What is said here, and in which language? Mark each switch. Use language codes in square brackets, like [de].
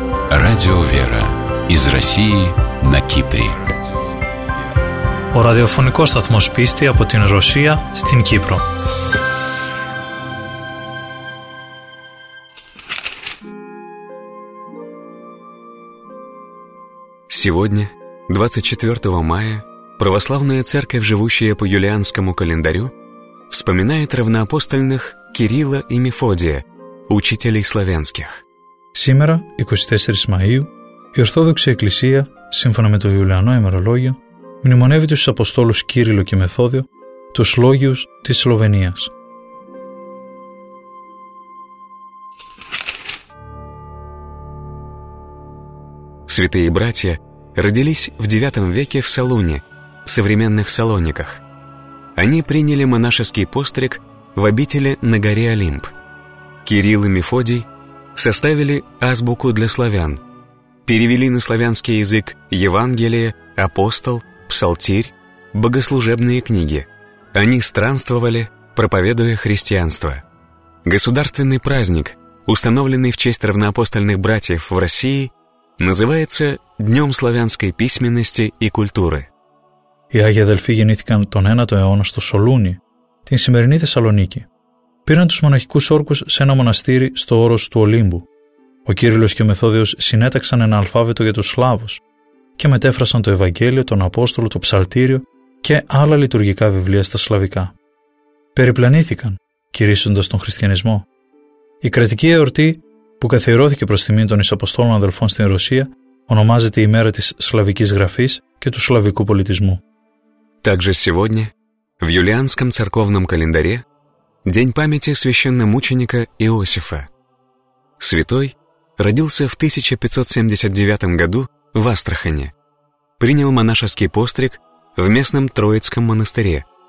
[ru] Радио «Вера» из России на Кипре. [el] Ο ραδιοφωνικός σταθμός πίστη από την Ρωσία στην Κύπρο. [ru] Сегодня, 24 мая, православная церковь, живущая по юлианскому календарю, вспоминает равноапостольных Кирилла и Мефодия, учителей славянских. Сегодня, 24 мая, [el] η Ορθόδοξη Εκκλησία, σύμφωνα με το Ιουλιανό ημερολόγιο, μνημονεύει τους Αποστόλους Κύριλλο και Μεθόδιο, τους Λόγιους της Σλοβενίας. [ru] Святые братья родились в IX веке в Салуне, современных Салониках. Они приняли монашеский постриг в обители на горе Олимп. Кирилл и Мефодий составили азбуку для славян, перевели на славянский язык Евангелие, Апостол, Псалтирь, богослужебные книги. Они странствовали, проповедуя христианство. Государственный праздник, установленный в честь равноапостольных братьев в России, называется Днем славянской письменности и культуры. [el] Οι Άγιοι Αδελφοί γεννήθηκαν τον 9ο αιώνα στο Σολούνι, την σημερινή Θεσσαλονίκη. Πήραν τους μοναχικούς όρκους σε ένα μοναστήρι στο όρος του Ολύμπου. Ο Κύριλλος και ο Μεθόδιος συνέταξαν ένα αλφάβητο για τους Σλάβους και μετέφρασαν το Ευαγγέλιο, τον Απόστολο, το Ψαλτήριο και άλλα λειτουργικά βιβλία στα Σλαβικά. Περιπλανήθηκαν, κηρύσσοντας τον Χριστιανισμό. Η κρατική εορτή που καθιερώθηκε προς τιμήν των Ισαποστόλων Αδελφών στην Ρωσία ονομάζεται η Μέρα της Σλαβικής Γραφής και του Σλαβικού Πολιτισμού. [ru] Также сегодня, в юлианском церковном календаре, день памяти священномученика Иосифа. Святой родился в 1579 году в Астрахани. Принял монашеский постриг в местном Троицком монастыре.